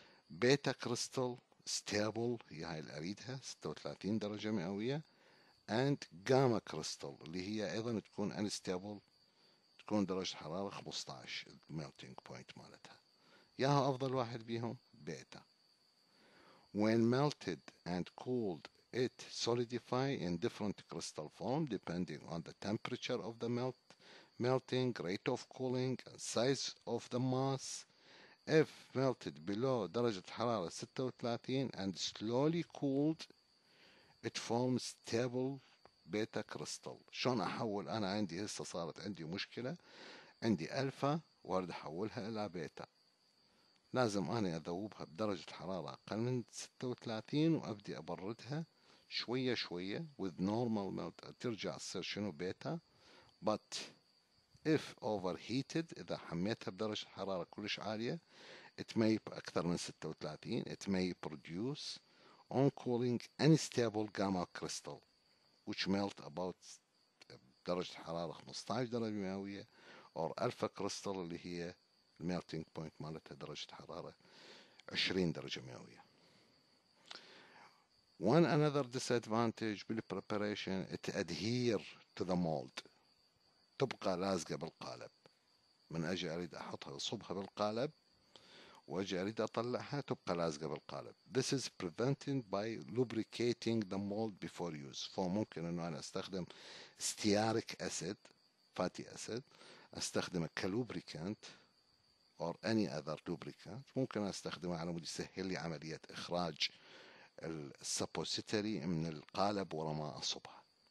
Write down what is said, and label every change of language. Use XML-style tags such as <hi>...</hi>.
<ar>بيتا crystal stable هي هاي اللي أريدها 36 درجة مئوية.</ar> <en>And gamma crystal</en> <ar>اللي هي أيضا تكون unstable تكون درجة حرارة 15 melting point مالتها. ياها أفضل واحد بيهم بيتا.</ar> <en>When melted and cooled, it solidify in different crystal form depending on the temperature of the melting, rate of cooling, and size of the mass. If melted below</en> <ar>درجة حرارة</ar> <en>36 and slowly cooled, it forms stable beta crystal.</en> <ar>شون أحول أنا عندي هسه صارت عندي مشكلة عندي ألفا وارد أحولها إلى بيتا. لازم أنا أذوبها بدرجة حرارة أقل من 36 وأبدي أبردها شوية شوية</ar> <en>with normal melt</en> <ar>ترجع تصير شنو بيتا.</ar> <en>But if overheated</en> <ar>إذا حميتها بدرجة حرارة كلش عالية</ar> <en>it may</en> <ar>أكثر من 36</ar> <en>it may produce on cooling unstable gamma crystal which melt about</en> <ar>درجة حرارة 15 درجة مئوية</ar> <en>or alpha crystal</en> <ar>اللي هي</ar> <en>melting point</en> <ar>مالتها درجة حرارة 20 درجة مئوية.</ar> <en>One another disadvantage بالpreparation it adhere to the mold</en> <ar>تبقى لازقة بالقالب. من أجي أريد أحطها وصبها بالقالب وأجي أريد أطلعها تبقى لازقة بالقالب.</ar> <en>This is prevented by lubricating the mold before use.</en> <ar>فممكن أنه أنا أستخدم stearic acid fatty acid أستخدم كلوبريكانت</ar> <en>or any other lubricant</en> <ar>ممكن استخدمه على مود يسهل لي عملية اخراج السبوسيتري من القالب ورا ما اصبها.</ar>